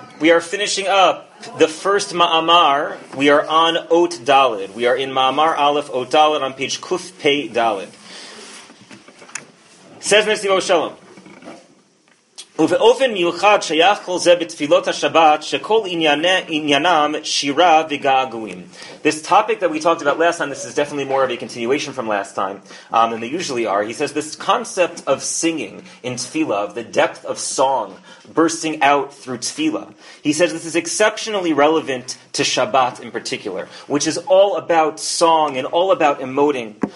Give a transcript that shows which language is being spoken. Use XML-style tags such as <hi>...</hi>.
<en>We are finishing up the first Ma'amar. We are on Ot Dalet. We are in Ma'amar Aleph Ot Dalet on page Kuf Pei Dalet. Says Nesivot Shalom.</en> <he>ובאופן מיוחד שייך כל זה בתפילות השבת שכל עניינם שירה וגעגועים.</he> <en>This topic that we talked about last time, this is definitely more of a continuation from last time than they usually are. He says this concept of singing in tefillah, of the depth of song bursting out through tefillah, he says this is exceptionally relevant to Shabbat in particular, which is all about song and all about emoting.</en>